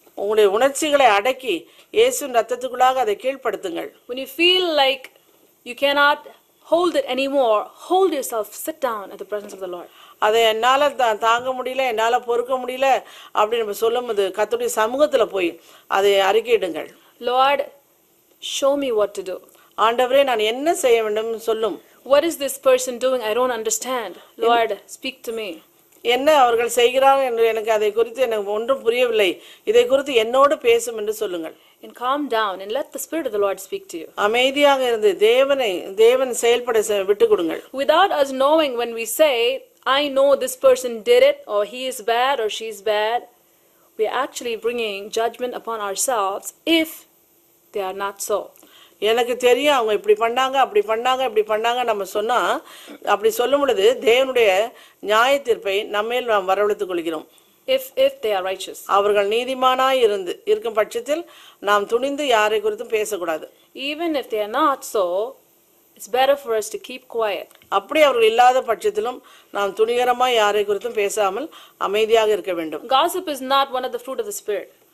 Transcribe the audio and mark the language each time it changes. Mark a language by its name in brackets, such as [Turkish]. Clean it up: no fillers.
[Tamil] உங்களுடைய உணர்ச்சிகளை அடக்கி இயேசுவின் ரத்தத்துக்குள்ளாக அதை கீழ்ப்படுத்துங்கள். [English] When you feel like you cannot hold it anymore, hold yourself, sit down at the presence of the Lord. [Tamil] அதை என்னால தாங்க முடியல, என்னால பொறுக்க முடியல அப்படின்னு சொல்லும்போது கர்த்தருடைய சமூகத்துல போய் அதை அறிக்கையிடுங்கள். [English] Lord, show me what to do. [Tamil] ஆண்டவரே நான் என்ன செய்ய வேண்டும் சொல்லும். [English] What is this person doing? I don't understand. Lord, speak to me. [Tamil] என்ன அவர்கள் செய்கிறார்கள் என்று எனக்கு அதை குறித்து எனக்கு ஒன்றும் புரியவில்லை. இதை குறித்து என்னோடு பேசும் என்று சொல்லுங்கள். [English] And calm down and let the Spirit of the Lord speak to you. [Tamil] அமைதியாக இருந்து தேவனை தேவன் செயல்பட விட்டு கொடுங்கள். [English] Without us knowing when we say, I know this person did it or he is bad or she is bad, we are actually bringing judgment upon ourselves if they are not so. [Tamil] எனக்கு தெரியும் அவங்க இப்படி பண்ணாங்க அப்படி பண்ணாங்க இப்படி பண்ணாங்க நம்ம சொன்னா அப்படி சொல்லும் பொழுது தேவனுடைய நியாய தீர்ப்பை நம்மேல் நாம் வரவழைத்துக் கொள்கிறோம். [English] If they are righteous. [Tamil] அவர்கள் நீதிமானாய் இருந்து இருக்கும் பட்சத்தில் நாம் துணிந்து யாரை குறித்தும் பேசக்கூடாது. [English] Even if they are not so, it's better for us to keep quiet. [Tamil] அப்படி அவர்கள் இல்லாத பட்சத்திலும் நாம் துணிகரமாய் யாரை குறித்தும் பேசாமல் அமைதியாக இருக்க வேண்டும். [English] Gossip is not one of the fruit of the spirit.